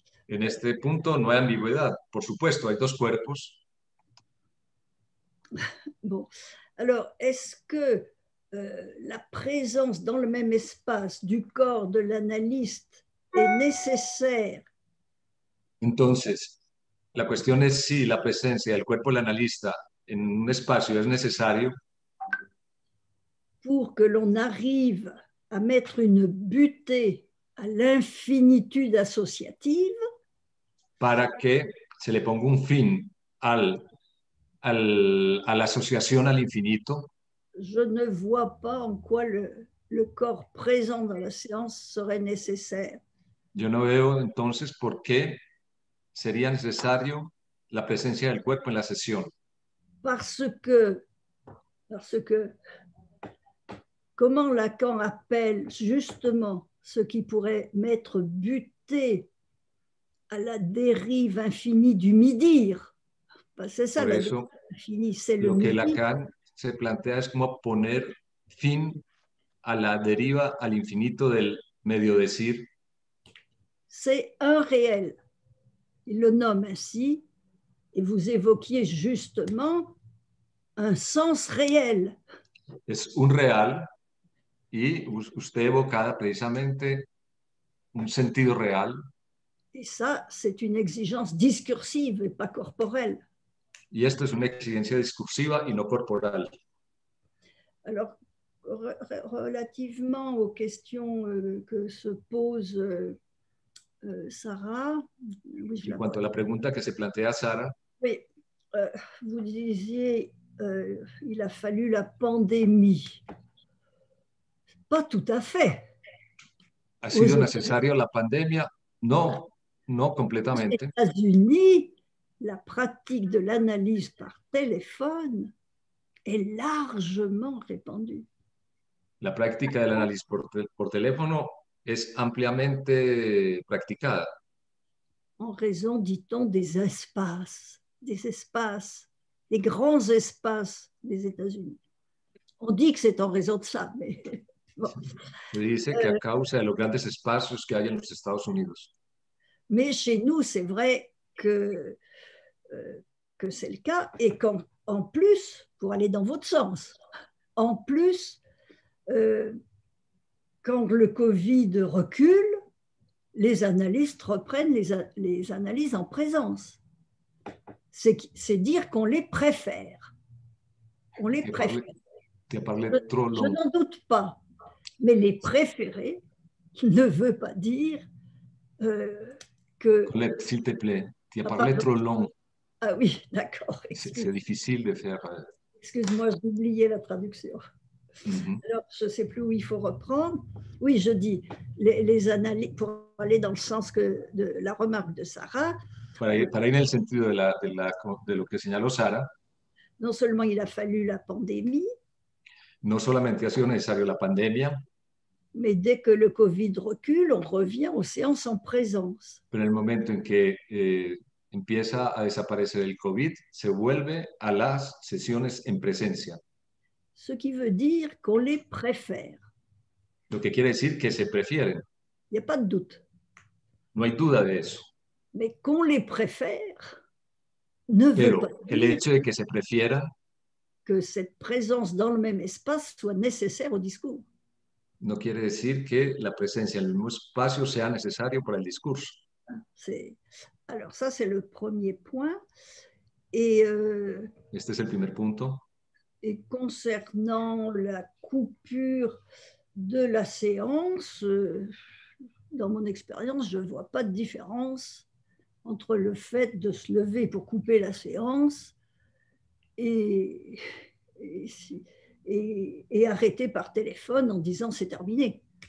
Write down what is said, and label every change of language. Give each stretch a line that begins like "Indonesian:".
Spanish: En este punto no hay ambigüedad. Por supuesto, hay dos cuerpos.
French: Bon, alors, est-ce que la présence dans le même espace du corps de l'analyste est nécessaire?
Spanish: Entonces, la cuestión es si la presencia del cuerpo del analista en un espacio es necesario.
French: Pour que l'on arrive à mettre une butée à l'infinitude associative.
Spanish: Para que se le ponga un fin a la asociación al infinito.
French: Je ne vois pas en quoi le corps présent dans la séance serait nécessaire.
Spanish: Yo no veo entonces por qué sería necesario la presencia del cuerpo en la sesión.
French: Parce que comment Lacan appelle justement ce qui pourrait mettre buté à la dérive infinie du midir. C'est ça,
Spanish: por eso,
French: la dérive infinie, c'est le midir.
Spanish: Lo que Lacan se plantea es como poner fin à la deriva à l'infinito del medio decir.
French: C'est un réel. Il le nomme ainsi. Et vous évoquiez justement un sens réel.
Spanish: Es un real y usted evocaba precisamente un sentido real.
French: Et ça, c'est une exigence discursive et pas corporelle.
Spanish: Y esto es una exigencia discursiva y no corporal.
French: Alors, relativement aux questions que se pose Sarah. Oui,
Spanish: en cuanto a la pregunta que se plantea Sarah.
French: Oui, vous disiez, il a fallu la pandémie. Pas tout à fait.
Spanish: Ha sido necesario la pandemia?
French: Non, non complètement. Aux États-Unis, la pratique de l'analyse par téléphone est largement répandue. La pratique de l'analyse par téléphone est amplement pratiquée. En raison, dit-on, des espaces. Des espaces, des grands espaces des États-Unis. On dit que c'est en raison de ça, mais bon. Il dit que à cause de
Spanish: los grandes espacios que hay en los Estados Unidos.
French: Mais chez nous, c'est vrai que c'est le cas, et qu'en plus, pour aller dans votre sens, en plus, quand le Covid recule, les analystes reprennent les analyses en présence. C'est dire qu'on les préfère. On les préfère. Je n'en doute pas. Mais les préférer ne veut pas dire que... Colette, s'il te plaît, tu as parlé trop long. Ah oui, d'accord. C'est difficile de faire... Excuse-moi, j'ai oublié la traduction. Mm-hmm. Alors, je ne sais plus où il faut reprendre. Oui, je dis, les analyses, pour aller dans le sens que de la remarque de Sarah...
Spanish: Para ir en el sentido de lo que señaló Sara. No solamente
French: il a fallu
Spanish: la pandemia. No solamente ha sido necesario la pandemia.
French: Mais dès que le COVID recule, on revient aux séances en présence.
Spanish: Pero en el momento en que empieza a desaparecer el COVID, se vuelve a las sesiones en presencia.
French: Ce qui veut dire qu'on les préfère.
Spanish: Lo que quiere decir que se prefieren.
French: Il n'y a pas de doute.
Spanish: No hay duda de eso.
French: Mais qu'on les préfère ne veut pas dire
Spanish: el hecho de que se prefiera
French: que cette présence dans le même espace soit nécessaire au discours.
Spanish: No quiere decir que la presencia en el mismo espacio sea necesario para el discurso.
French: Alors ça c'est le premier point et
Spanish: este es el primer punto.
French: Et concernant la coupure de la séance dans mon expérience, je ne vois pas de différence entre le fait de se lever pour couper la séance et arrêter par téléphone en disant c'est terminé.